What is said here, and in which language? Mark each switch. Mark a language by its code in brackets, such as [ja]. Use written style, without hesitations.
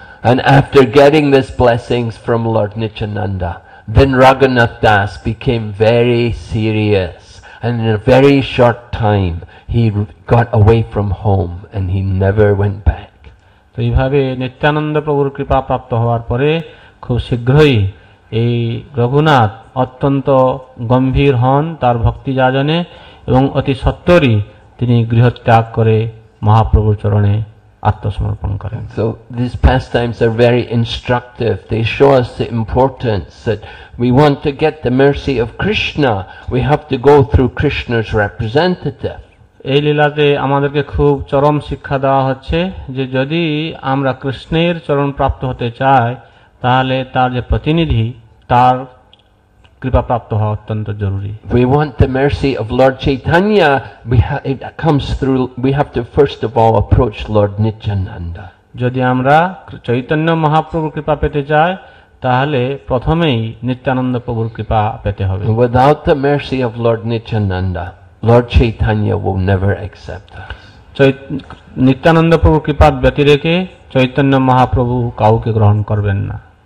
[en] And after getting these blessings from Lord Nityananda, then Raghunath Das became very serious. And in a very short time, he got away from home and he never went back. [bn] So, এইভাবে নিত্যানন্দ প্রভুর কৃপা প্রাপ্ত হওয়ার পরে খুব শীঘ্রই এই রঘুনাথ অত্যন্ত গম্ভীর হন তার ভক্তি যাজনে এবং অতি সত্তরই তিনি গৃহত্যাগ করে মহাপ্রভুর চরণে আত্মসমর্পণ করেন. [en] So these pastimes are very instructive. They show us the importance that we want to get the mercy of Krishna. We have to go through Krishna's representative. [bn] এই লীলাতে আমাদেরকে খুব চরম শিক্ষা দেওয়া হচ্ছে যে যদি আমরা কৃষ্ণের চরণ প্রাপ্ত হতে চাই তাহলে তার যে প্রতিনিধি তার কৃপা প্রাপ্ত হওয়া অত্যন্ত জরুরি. [en] We want the mercy of Lord Chaitanya, we have to first of all approach Lord Nityananda. [bn] যদি আমরা চৈতন্য মহাপ্রভুর কৃপা পেতে চাই তাহলে প্রথমেই নিত্যানন্দ প্রভুর কৃপা পেতে হবে. [en] Without the mercy of Lord Nityananda, Lord Chaitanya will never accept us. [bn] Nityananda প্রভুর কৃপা ব্যতিরেকে চৈতন্য মহাপ্রভু কাউকে গ্রহণ করবেন না.